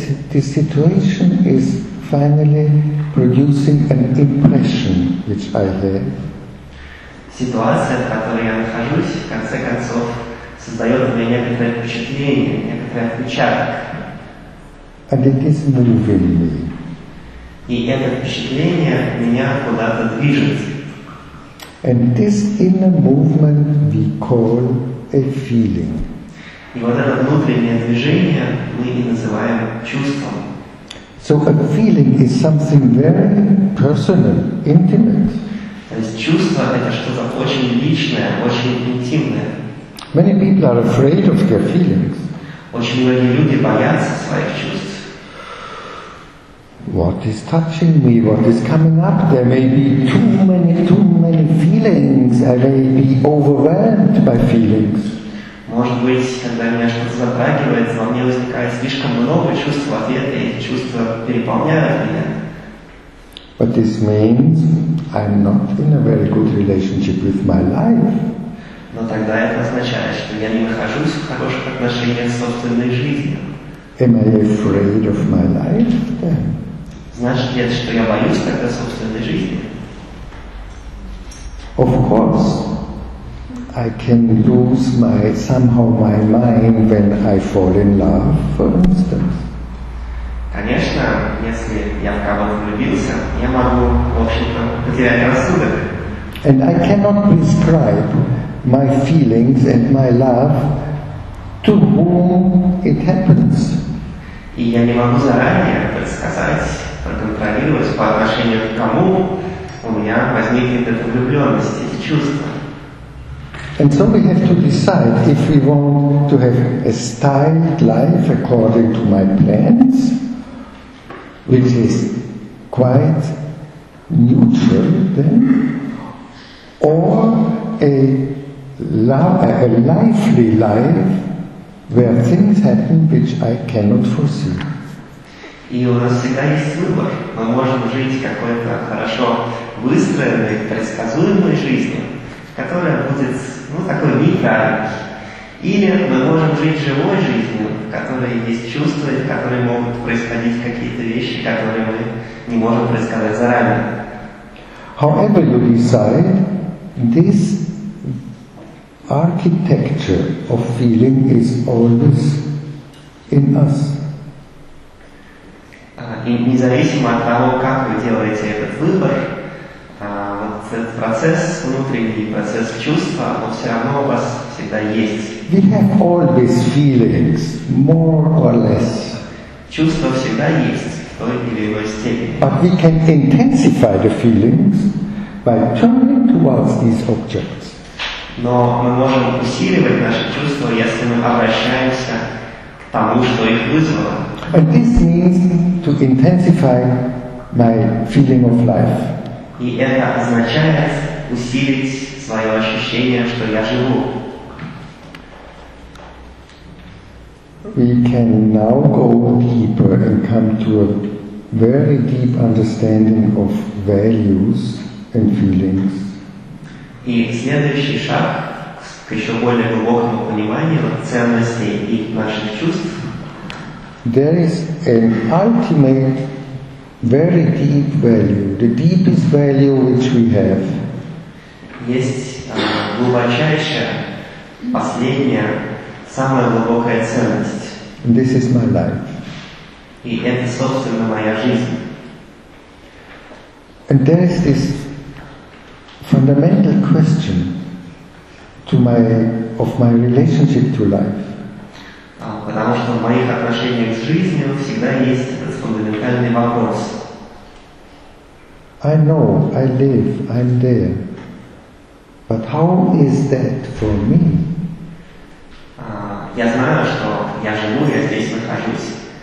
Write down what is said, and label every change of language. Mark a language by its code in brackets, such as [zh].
[en] This situation is finally producing an impression which I have. [ru] Ситуация, в которой я нахожусь, в конце концов, создает мне некоторое впечатление, некоторый отпечаток. [en] And it is moving me. [ru] И это впечатление меня куда-то движет. [en] And this inner movement we call a feeling. [ru] И вот это внутреннее движение мы и называем чувством. [en] So a feeling is something very personal, intimate. [ru] То есть чувство – это что-то очень личное, очень интимное. [en] Many people are afraid of their feelings. [ru] Очень многие люди боятся своих чувств. [en] What is touching me? What is coming up? There may be too many feelings. I may be overwhelmed by feelings. [ru] Может быть, когда меня что-то затрагивает, во мне возникает слишком много чувств в ответ, и эти чувства переполняют меня. [en] But this means I'm not in a very good relationship with my life. [ru] Но тогда это означает, что я не нахожусь в хороших отношениях с собственной жизнью. [en] Am I afraid of my life then? [ru] Значит ли это, что я боюсь тогда собственной жизни? [en] Of course. I can lose my mind when I fall in love, for instance. [ru] Конечно, если я в кого-то влюбился, я могу, в общем-то, потерять рассудок. [en] And I cannot prescribe my feelings and my love to whom it happens. [ru] И я не могу заранее предсказать, проконтролировать по отношению к кому у меня возникнет эта влюбленность, эти чувства. [en] And so we have to decide if we want to have a styled life according to my plans, which is quite neutral then, or a lively life where things happen which I cannot foresee. [ru] И у нас всегда есть выбор. Мы можем жить какой-то хорошо выстроенной, предсказуемой жизнью, которая будет такой нейтральный. Или мы можем жить живой жизнью, в которой есть чувства, в которой могут происходить какие-то вещи, которые мы не можем предсказать заранее. [en] However you decide, this architecture of feeling is always in us. [ru] Независимо от того, как вы делаете этот выбор, вот этот процесс, внутренний процесс чувства, он все равно у вас всегда есть. [en] We have all these feelings, more or less. [ru] Чувства всегда есть, в той или иной степени. [en] But we can intensify the feelings by turning towards these objects. [ru] Но мы можем усиливать наши чувства, если мы обращаемся к тому, что их вызвало. [en] And this means to intensify my feeling of life. [ru] И это означает усилить свое ощущение, что я живу. [en] We can now go deeper and come to a very deep understanding of values and feelings. [ru] И следующий шаг к еще более глубокому пониманию ценностей и наших чувств. [en] There is an ultimate, very deep value, the deepest value which we have. [ru] Есть глубочайшая, последняя, самая глубокая ценность. [en] And this is my life. [ru] И это, собственно, моя жизнь. [en] And there is this fundamental question of my relationship to life. [ru] Потому что в моих отношениях с жизнью всегда есть этот фундаментальный вопрос. [en] I know, I live, I'm there. But how is that for me? [ru] Я знаю, что я живу, я здесь нахожусь.